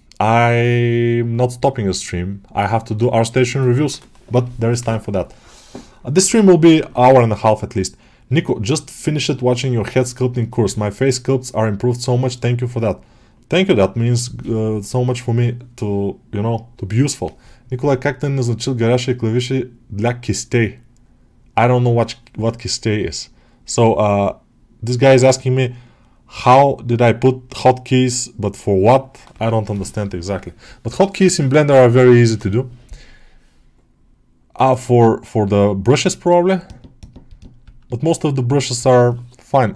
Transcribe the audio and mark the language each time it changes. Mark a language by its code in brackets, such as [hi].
[en] I'm not stopping the stream. I have to do Artstation reviews, but there is time for that. This stream will be hour and a half at least. Nico, just finished watching your head sculpting course. My face sculpts are improved so much. Thank you for that. Thank you. That means so much for me to, you know, to be useful. [ru] Николай, как ты назначил горящие клавиши для кистей? [en] I don't know what кистей is. So, this guy is asking me, how did I put hotkeys, but for what? I don't understand exactly. But hotkeys in Blender are very easy to do. For the brushes probably. But most of the brushes are fine.